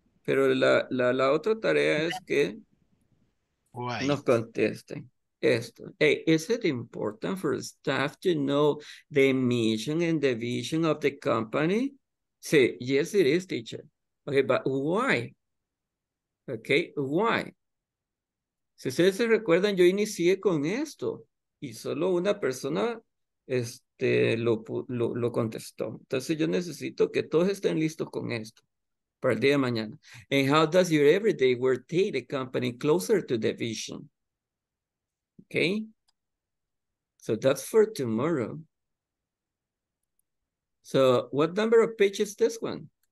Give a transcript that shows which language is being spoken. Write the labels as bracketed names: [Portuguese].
[Spanish] Pero la otra tarea es que nos contesten esto. [English] Hey, is it important for staff to know the mission and the vision of the company? [Spanish] Sí, [English] yes, it is, teacher. Okay, but why? Okay, why? [Spanish] Si ustedes se recuerdan, yo inicié con esto y solo una persona lo contestó. Entonces yo necesito que todos estén listos con esto para el día de mañana. [English] And how does your everyday work take the company closer to the vision? Okay. So that's for tomorrow. So what number of pages is this one?